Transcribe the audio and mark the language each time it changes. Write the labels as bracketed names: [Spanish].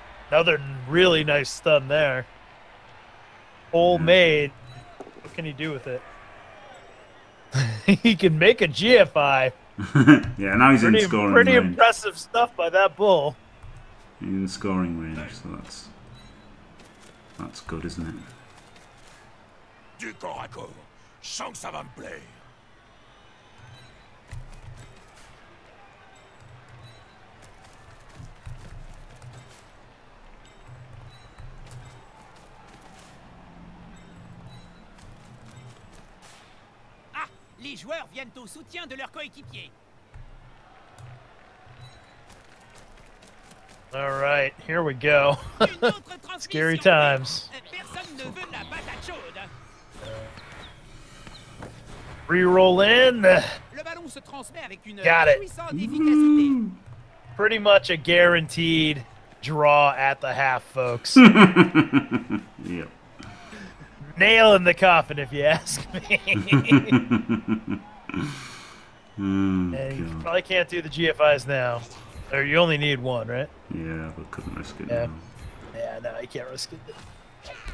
[English] Another really nice stun there. Hole made. What can he do with it? He can make a GFI. Yeah, now he's in scoring range. Pretty impressive stuff by that bull. In scoring range, so that's good, isn't it? [French] Du corps à corps, chance ça va me plaire. Les joueurs viennent au soutien de leurs coéquipiers. [English] All right, here we go. Scary times. [French] Personne ne veut la patate chaude. [English] Reroll in. [French] Le ballon se transmet avec une puissante efficacité. [English] Pretty much a guaranteed draw at the half, folks. Yep. Nail in the coffin, if you ask me. Oh, you probably can't do the GFIs now. Or you only need one, right? Yeah, but couldn't risk it. Yeah, no, I can't risk it.